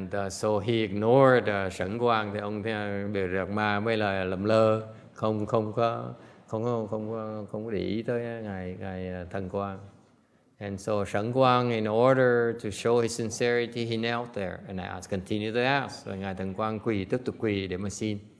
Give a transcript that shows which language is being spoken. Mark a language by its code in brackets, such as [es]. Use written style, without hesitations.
[en] So he ignored Sẵn Quang. [vi] Thì ông Bề Rạc Ma mới là lầm lơ, không có để ý tới ngài Thần Quang. [en] And so Sẵn Quang, in order to show his sincerity, he knelt there and asked, continued to ask. [vi] So ngài Thần Quang quỳ, tiếp tục quỳ để mà xin.